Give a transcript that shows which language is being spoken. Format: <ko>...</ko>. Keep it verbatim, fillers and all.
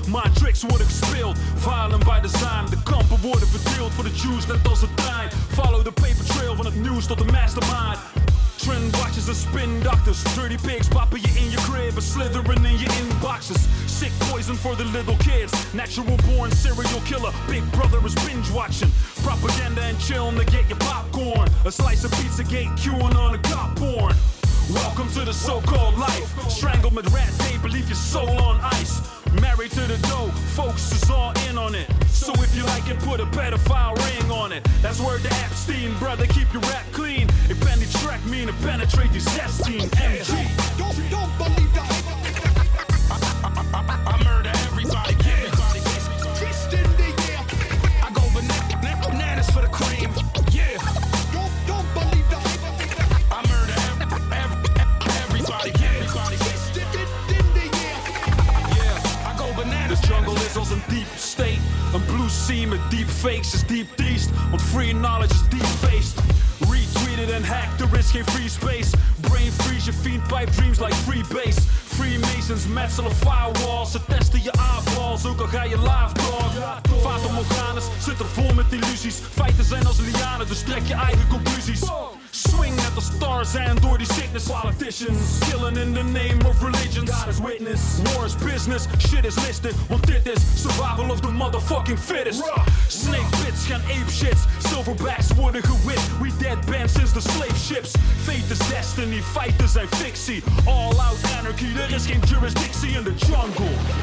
<nl>Mijn tricks worden gespeeld.</nl> <en>Violent by design.</en> <nl>De kampen worden verdeeld voor de Jews net als het trein.</nl> <en>Follow the paper trail</en> <nl>van het nieuws tot de mastermind.</nl> <en>Trend watches and spin doctors. Dirty pigs popping you in your crib and slithering in your inboxes. Sick poison for the little kids. Natural born serial killer. Big brother is binge watching. Propaganda and chillin' to get your popcorn. A slice of Pizzagate queuing on a cop porn. Welcome to the so-called life. Strangled with rat tape and leave your soul on ice. Married to the dough, folks is all in on it. So if you like it, put a pedophile ring on it. That's word to Epstein, brother, keep your rap clean. If any track mean to penetrate your zestine, M G. Don't, don't believe the hype. I murder everybody, yeah. Everybody, yeah. Twist in the air. I go banana, na- bananas for the cream, yeah. Don't, don't believe the hype. I murder ev- ev- everybody, yeah. Everybody, yeah. The jungle is</en> <nl>als een</nl> <en>deep state. Een blue sea met deep fakes is deep teased. Want free knowledge is deep faced. Retweeted and hacked, there is geen free space. Brain freeze, je fiend pipe dreams like free base.</en> <nl>Freemasons metselen firewalls. Ze testen je eyeballs, ook al ga je live dog. Fata Morganas zit er vol met illusies. Feiten zijn als lianen, dus trek je eigen conclusies.</nl> <en>Swing at the stars and door the sickness. Politicians killing in the name of religion. God is witness. War is business. Shit is listed.</en> <nl>Want dit is</nl> <en>survival of the motherfucking fittest. Ruh. Snake pits gaan ape shits. Silverbacks</en> <nl>worden gewit.</nl> <en>We dead banned since the slave ships. Fate is destiny. Fighters</en> <nl>zijn fictie.</nl> <en>All out anarchy.</en> <nl>Er is geen jurisdictie in</nl> <en>the jungle.</en>